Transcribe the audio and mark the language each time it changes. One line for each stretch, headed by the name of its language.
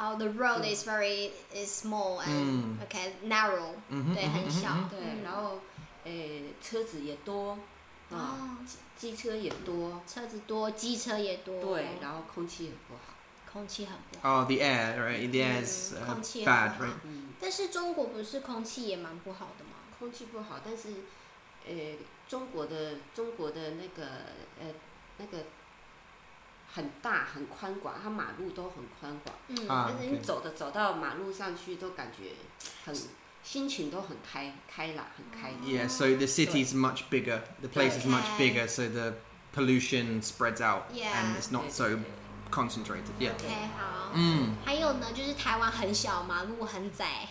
English: Oh, the road is very is small and okay narrow、嗯。
Chinese: 对，很小。嗯、对，然后车子也多，机车也多，车子多，机车也多。对，然后空气也不好。空气很不好。
English: Oh, the air, right? The air is bad, right？
Chinese: 但是中国不是空气也蛮不好的吗？空气不好，但是。中国的那个那个很大很宽广，它马路都很宽广，但是你走的、
English: okay.
Chinese: 走到马路上去都感觉很心情都很开朗，很开心。
English: Yeah, so the city is much bigger, the place is much bigger, so the pollution spreads out, and it's not so concentrated. Yeah.
Chinese: Okay, 好。还有呢，就是台湾很小，马路很窄，